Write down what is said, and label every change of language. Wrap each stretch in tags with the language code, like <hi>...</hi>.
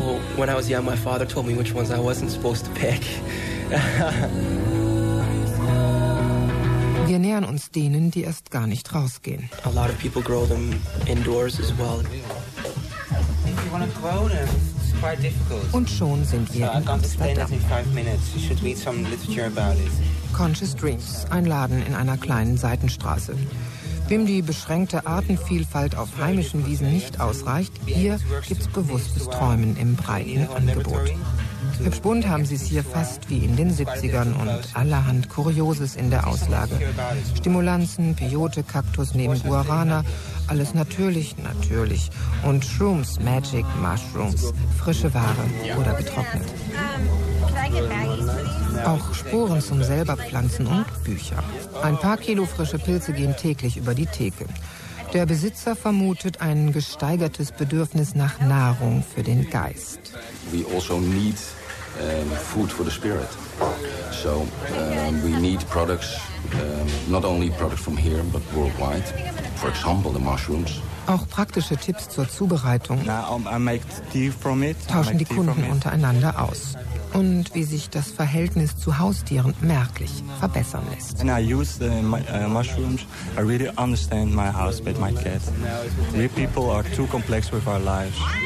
<en>Well, when I was young, my father told me which ones I wasn't supposed to pick.</en> <de>Wir nähern uns denen, die erst gar nicht rausgehen.</de> <en>A lot of people grow them indoors as well. If you want to grow them, it's quite difficult.</en> <de>Und schon sind wir in Amsterdam.</de> <en>In 5 minutes. You should read some literature about it.</en> <de>Conscious Dreams, ein Laden in einer kleinen Seitenstraße. Wem die beschränkte Artenvielfalt auf heimischen Wiesen nicht ausreicht, hier gibt's bewusstes Träumen im breiten Angebot. Hübsch bunt haben sie es hier fast wie in den 70ern und allerhand Kurioses in der Auslage. Stimulanzen, Peyote, Kaktus neben Guarana, alles natürlich, natürlich. Und Shrooms, Magic, Mushrooms, frische Ware oder getrocknet. Auch Sporen zum selber pflanzen und Bücher. Ein paar Kilo frische Pilze gehen täglich über die Theke. Der Besitzer vermutet ein gesteigertes Bedürfnis nach Nahrung für den Geist.</de> <en>We also need food for the spirit. So we need products, not only products from here, but worldwide. For example, the mushrooms.</en> <de>Auch praktische Tipps zur Zubereitung tauschen die Kunden untereinander aus. Und wie sich das Verhältnis zu Haustieren merklich verbessern lässt.</de> <en>When I use the mushrooms, I really understand my house with my cat. We people are too complex with our lives.</en>